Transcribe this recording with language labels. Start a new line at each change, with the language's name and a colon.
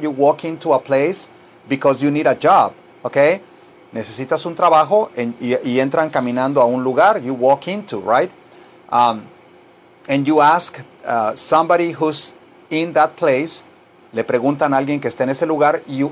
English: You walk into a place because you need a job. ¿Ok?
Spanish: Necesitas un trabajo y entran caminando a un lugar.
English: You walk into, right? And you ask somebody who's in that place.
Spanish: Le preguntan a alguien que está en ese lugar.